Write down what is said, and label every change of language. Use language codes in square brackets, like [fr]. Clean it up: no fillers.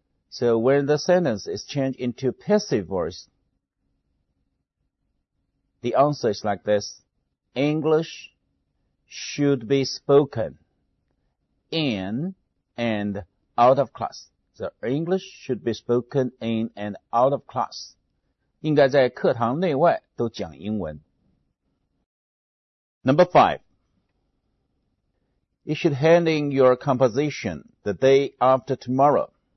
[en] So when the sentence is changed into passive voice, the answer is like this. English should be spoken in and out of class. So English should be spoken in and out of class. [zh] 应该在课堂内外都讲英文。 [en] Number five, you should hand in your composition the day after tomorrow.